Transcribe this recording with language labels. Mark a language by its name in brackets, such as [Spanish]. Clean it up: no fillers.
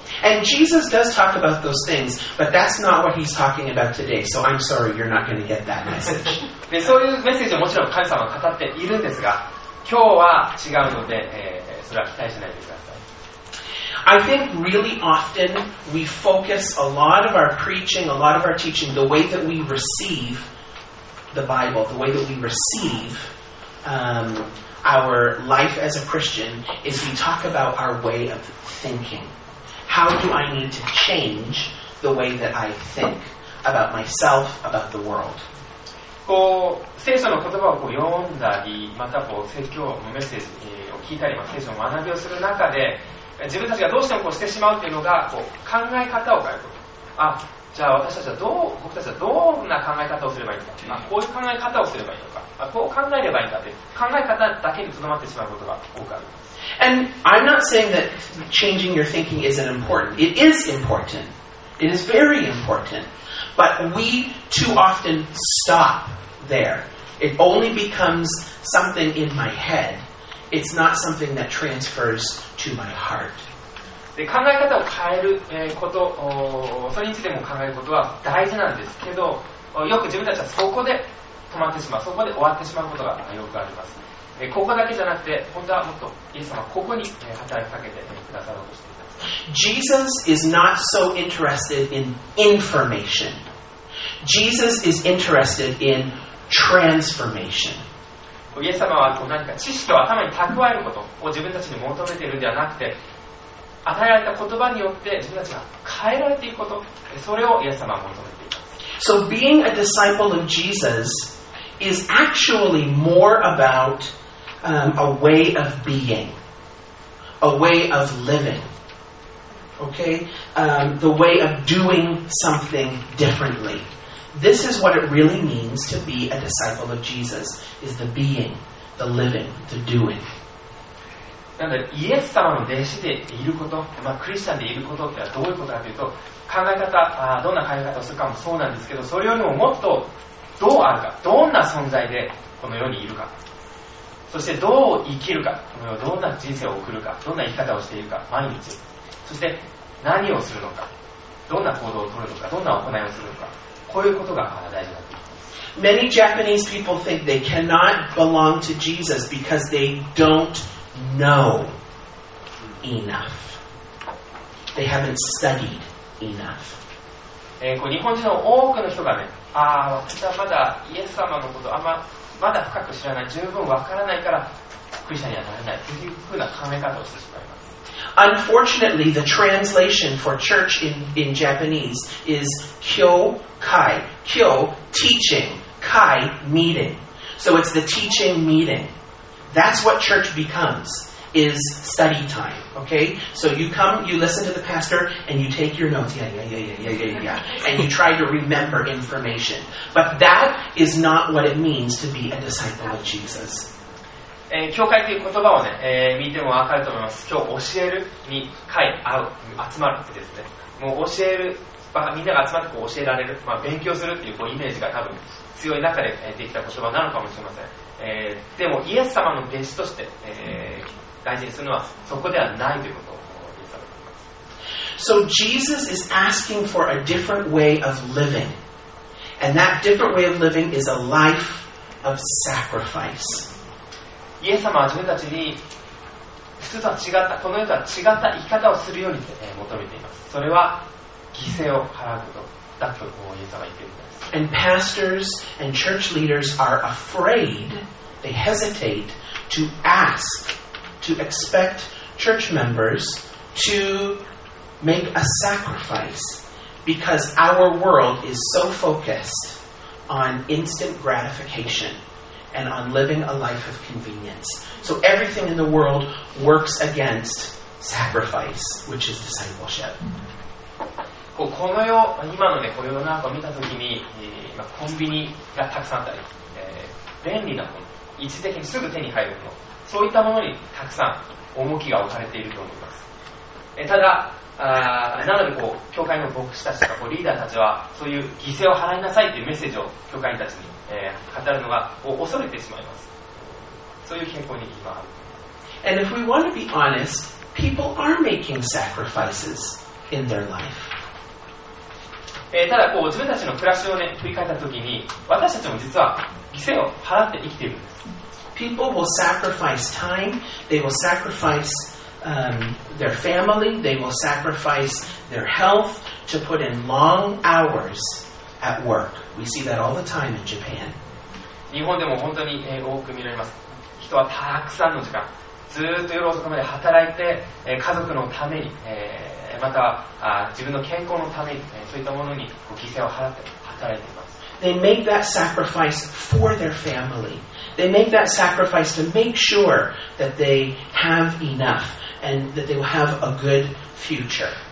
[English] And Jesus does talk about those things, but that's not what he's talking about today. So I'm sorry, you're not going to get that message. [Japanese] そういうメッセージはもちろん神様は語っているんですが、今日は違うので、それは期待しないでください。 [English] I think really often we focus a lot of our preaching, a lot of our teaching, the way that we receive the Bible, the way that we receive our life as a Christian, is we talk about our way of thinking. How do I need to change the way that I think about myself, about the world? [Japanese] こう聖書の言葉をこう読んだり、またこう説教のメッセージを聞いたり、聖書の学びをする中で、自分たちがどうしてもこうしてしまうというのがこう考え方を変えること。あ、じゃあ私たちはどう、僕たちはどんな考え方をすればいいのか。こういう考え方をすればいいのか。こう考えればいいのかって考え方だけにとどまってしまうことが多くあります。 [English] And I'm not saying that changing your thinking isn't important. It is important. It is very important. But we too often stop there. It only becomes something in my head. It's not something that transfers to my heart. [Japanese] で、考え方を変えること、それについても考えることは大事なんですけど、よく自分たちはそこで止まってしまう、そこで終わってしまうことがよくあります。ここだけじゃなくて、本当はもっとイエス様ここに働きかけてくださろうとしています。 [English] Jesus is not so interested in information. Jesus is interested in transformation. [Japanese] イエス様は何か知識を頭に蓄えることを自分たちに求めているんではなくて、与えられた言葉によって自分たちが変えられていくこと、それをイエス様は求めています。 [English] So being a disciple of Jesus is actually more abouta way of being, a way of living, okay? The way of doing something differently. This is what it really means to be a disciple of Jesus, is the being, the living, the doing. [Japanese] なので、イエス様の弟子でいること、まあ、クリスチャンでいることってどういうことかというと、考え方、どんな考え方をするかもそうなんですけど、それよりももっとどうあるか、どんな存在でこの世にいるか。そしてどう生きるか、この世をどんな人生を送るか、どんな生き方をしているか、毎日、そして何をするのか、どんな行動を取るのか、どんな行いをするのか、こういうことが大事になっています。 [English] Many Japanese people think they cannot belong to Jesus because they don't know enough. They haven't studied enough. [Japanese] 日本人の多くの人がね、ああ、私はまだイエス様のことあんままだ深く知らない、十分わからないからクリスチャンにはなれないというふうな考え方をしてしまいます。 [English] Unfortunately, the translation for church in Japanese is kyokai. Kyo, teaching. Kai, meeting. So it's the teaching meeting. That's what church becomes, is study time. Okay? So you come, you listen to the pastor, and you take your notes. Yeah. And you try to remember information. But that is not what it means to be a disciple of Jesus. [Japanese] 教会という言葉をね、見ても分かると思います。今日教えるに会、会う、集まるですね。もう教える、みんなが集まってこう教えられる、まあ、勉強するっていう、こうイメージが多分強い中でできた言葉なのかもしれません。でもイエス様の弟子として、大事にするのはそこではないということを言っています。 [English] So Jesus is asking for a different way of living. And that different way of living is a life of sacrifice. [Japanese] イエス様は自分たちに普通とは違った、この世とは違った生き方をするように求めています。それは犠牲を払うことだとイエス様は言っています。 [English] And pastors and church leaders are afraid, they hesitate to ask, to expect church members to make a sacrifice because our world is so focused on instant gratification and on living a life of convenience. So everything in the world works against sacrifice, which is discipleship. [Japanese] この世、今の、ね、この世の中を見たときに、コンビニがたくさんあったり、便利なもの、一時的にすぐ手に入るもの、そういったものにたくさん重きが置かれていると思います。ただ、なのでこう教会の牧師たちとかこうリーダーたちは、そういう犠牲を払いなさいというメッセージを教会員たちに、語るのが恐れてしまいます。そういう傾向に今ある。 [English] And if we want to be honest, people are making sacrifices in their life. [Japanese] ただこう自分たちの暮らしを、ね、振り返ったときに私たちも実は犠牲を払って生きているんです。 [English] People will sacrifice time, they will sacrifice、their family, they will sacrifice their health to put in long hours at work. We see that all the time in Japan. [Japanese] 日本でも本当に多く見られます。人はたくさんの時間、ずっと夜遅くまで働いて、家族のために、また自分の健康のためにそういったものに犠牲を払って働いています。 [English] They make that sacrifice for their family. They make that sacrifice to make sure that they have enough and that they will have a good future.